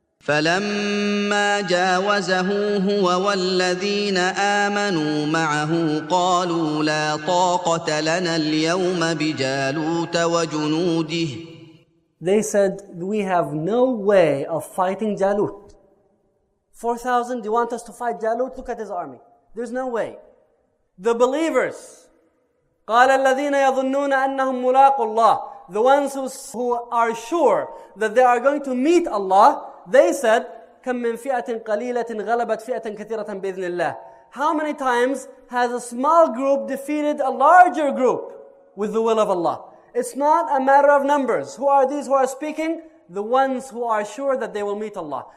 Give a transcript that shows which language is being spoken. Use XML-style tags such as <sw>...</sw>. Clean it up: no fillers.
<ar>فَلَمَّا جَاوَزَهُ هُوَ وَالَّذِينَ آمَنُوا مَعَهُ قَالُوا لَا طَاقَةَ لَنَا الْيَوْمَ بِجَالُوتَ وَجُنُودِهِ.</ar> <en>They said, we have no way of fighting Jalut. 4,000, do you want us to fight Jalut? Look at his army. There's no way. The believers,</en> <ar>قَالَ الَّذِينَ يَظُنُّونَ أَنَّهُمْ مُلَاقُوا اللَّهِ.</ar> <en>The ones who are sure that they are going to meet Allah, they said,</en> <ar>كَمْ مِنْ فِيَةٍ قَلِيلَةٍ غَلَبَتْ فِيَةً كَثِيرَةً بِإِذْنِ اللَّهِ.</ar> <en>How many times has a small group defeated a larger group with the will of Allah? It's not a matter of numbers. Who are these who are speaking? The ones who are sure that they will meet Allah.</en>